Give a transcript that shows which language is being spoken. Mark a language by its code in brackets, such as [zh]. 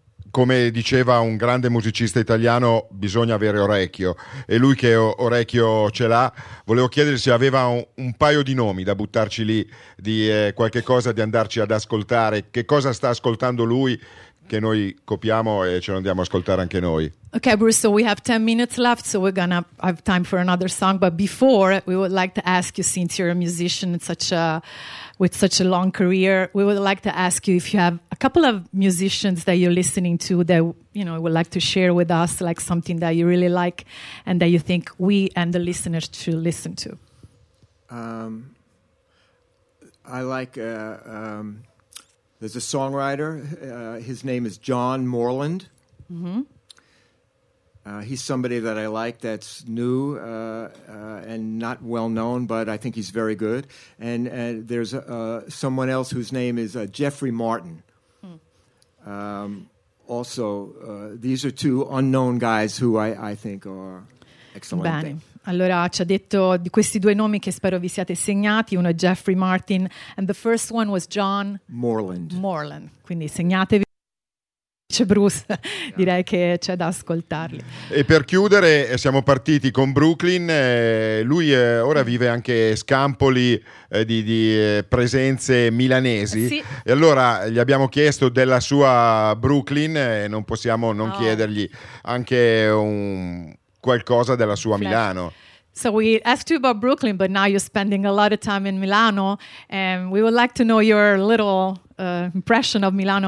[it] Come diceva un grande musicista italiano, bisogna avere orecchio, e lui che orecchio ce l'ha, volevo chiedere se aveva un paio di nomi da buttarci lì, di qualche cosa di andarci ad ascoltare, che cosa sta ascoltando lui che noi copiamo e ce lo andiamo ad ascoltare anche noi. [en] Okay, Bruce, so we have 10 minutes left, so we're gonna have time for another song, but before, we would like to ask you, since you're a musician with such a long career, we would like to ask you if you have a couple of musicians that you're listening to that, would like to share with us, like something that you really like and that you think we and the listeners should listen to. I like, there's a songwriter, his name is John Moreland. Mm-hmm. He's somebody that I like that's new and not well known, but I think he's very good. And there's someone else whose name is Jeffrey Martin. Mm. Also, these are two unknown guys who I think are excellent. [it] Bene. Allora, ci ha detto di questi due nomi che spero vi siate segnati. Uno è [en] Jeffrey Martin, and the first one was John Moreland. [it] Moreland. Quindi segnatevi. C'è Bruce, direi che c'è da ascoltarli. E per chiudere, siamo partiti con Brooklyn, lui ora vive anche scampoli di presenze milanesi, sì. E allora gli abbiamo chiesto della sua Brooklyn, e non possiamo non chiedergli anche qualcosa della sua Milano. [en] So we asked you about Brooklyn, but now you're spending a lot of time in Milano, and we would like to know your little impression of Milano.